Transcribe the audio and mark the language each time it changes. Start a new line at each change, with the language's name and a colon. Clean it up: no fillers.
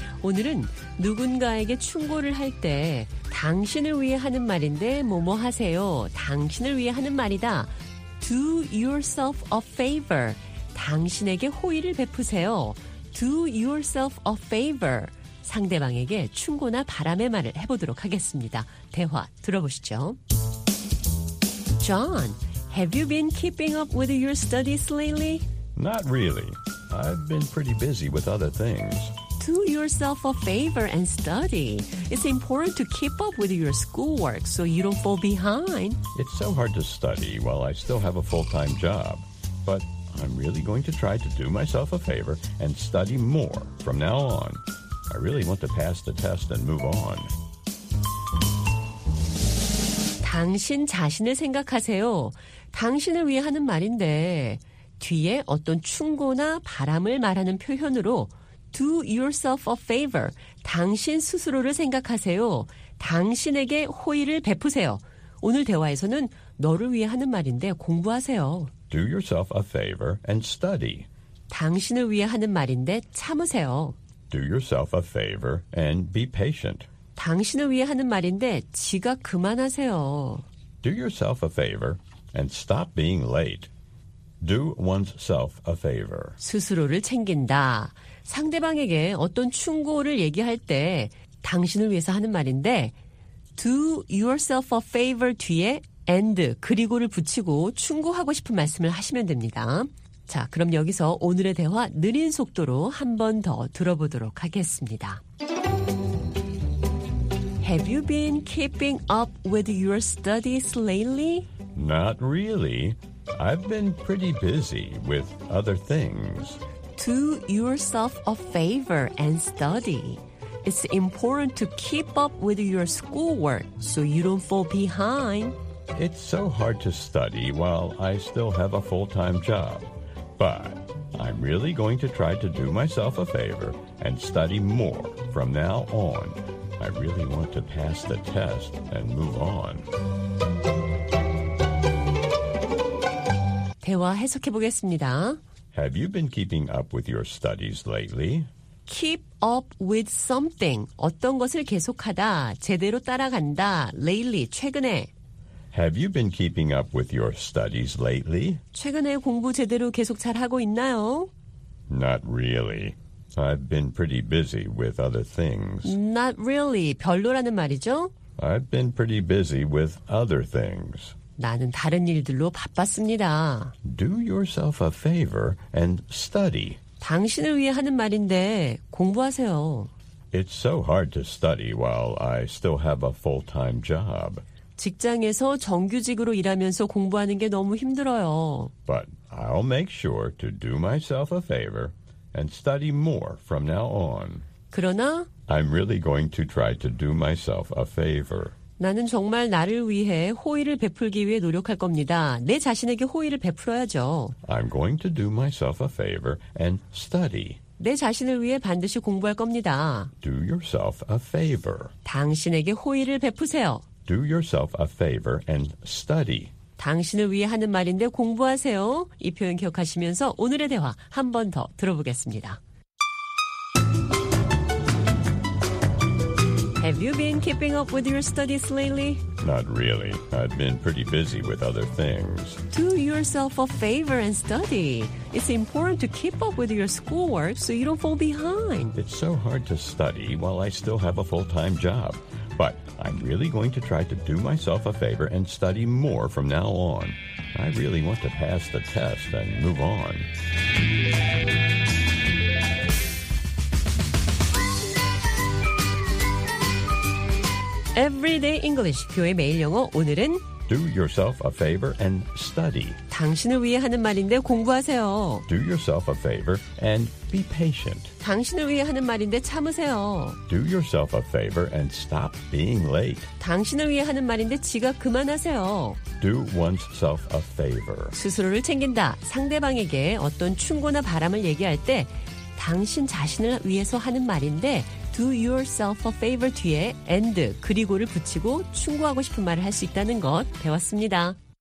Korean: 오늘은 누군가에게 충고를 할 때 당신을 위해 하는 말인데 뭐뭐 하세요. 당신을 위해 하는 말이다.
English: Do yourself a favor.
Korean: 당신에게 호의를 베푸세요.
English: Do yourself a favor.
Korean: 상대방에게 충고나 바람의 말을 해보도록 하겠습니다. 대화 들어보시죠.
English: John, have you been keeping up with your studies lately? Not really. I've been pretty busy with other things. Do yourself a favor and study. It's important to keep up with your schoolwork so you don't fall behind. It's so hard to study while I still have a full-time job. But I'm really going to try to do myself a favor and study more from now on. I really want to pass the test and move on.
Korean: 당신 자신을 생각하세요. 당신을 위해 하는 말인데 뒤에 어떤 충고나 바람을 말하는 표현으로
English: Do yourself a favor.
Korean: 당신 스스로를 생각하세요. 당신에게 호의를 베푸세요. 오늘 대화에서는 너를 위해 하는 말인데 공부하세요.
English: Do yourself a favor and study.
Korean: 당신을 위해 하는 말인데 참으세요.
English: Do yourself a favor and be patient.
Korean: 당신을 위해 하는 말인데 지각 그만하세요.
English: Do yourself a favor and stop being late. Do one's self a favor.
Korean: 스스로를 챙긴다. 상대방에게 어떤 충고를 얘기할 때 당신을 위해서 하는 말인데
English: do yourself a favor
Korean: 뒤에 and 그리고를 붙이고 충고하고 싶은 말씀을 하시면 됩니다. 자, 그럼 여기서 오늘의 대화 느린 속도로 한 번 더 들어보도록 하겠습니다.
English: Have you been keeping up with your studies lately? Not really. I've been pretty busy with other things. Do yourself a favor and study. It's important to keep up with your schoolwork so you don't fall behind. It's so hard to study while I still have a full-time job. But I'm really going to try to do myself a favor and study more from now on. I really want to pass the test and move on.
Korean: 대화 해석해 보겠습니다.
English: Have you been keeping up with your studies lately? Keep up with something.
Korean: 어떤 것을 계속하다, 제대로 따라간다.
English: Lately, 최근에. Have you been keeping up with your studies lately?
Korean: 최근에 공부 제대로 계속 잘하고 있나요?
English: Not really. I've been pretty busy with other things. Not really.
Korean: 별로라는 말이죠?
English: I've been pretty busy with other things.
Korean: 나는 다른 일들로 바빴습니다.
English: Do yourself a favor and study.
Korean: 당신을 위해 하는 말인데 공부하세요.
English: It's so hard to study while I still have a full-time job.
Korean: 직장에서 정규직으로 일하면서 공부하는 게 너무 힘들어요.
English: But I'll make sure to do myself a favor and study more from now on.
Korean: 그러나
English: I'm really going to try to do myself a favor.
Korean: 나는 정말 나를 위해 호의를 베풀기 위해 노력할 겁니다. 내 자신에게 호의를 베풀어야죠.
English: I'm going to do myself a favor and study.
Korean: 내 자신을 위해 반드시 공부할 겁니다.
English: Do yourself a favor.
Korean: 당신에게 호의를 베푸세요.
English: Do yourself a favor and study.
Korean: 당신을 위해 하는 말인데 공부하세요. 이 표현 기억하시면서 오늘의 대화 한 번 더 들어보겠습니다.
English: Have you been keeping up with your studies lately? Not really. I've been pretty busy with other things. Do yourself a favor and study. It's important to keep up with your schoolwork so you don't fall behind. It's so hard to study while I still have a full-time job. But I'm really going to try to do myself a favor and study more from now on. I really want to pass the test and move on.
Korean: 에브리데이 잉글리시 교회 매일 영어 오늘은
English: Do yourself a favor and study.
Korean: 당신을 위해 하는 말인데 공부하세요.
English: Do yourself a favor and be patient.
Korean: 당신을 위해 하는 말인데 참으세요.
English: Do yourself a favor and stop being late.
Korean: 당신을 위해 하는 말인데 지각 그만하세요.
English: Do one's self a favor.
Korean: 스스로를 챙긴다. 상대방에게 어떤 충고나 바람을 얘기할 때 당신 자신을 위해서 하는 말인데
English: Do yourself a favor
Korean: 뒤에 and 그리고를 붙이고 충고하고 싶은 말을 할 수 있다는 것 배웠습니다.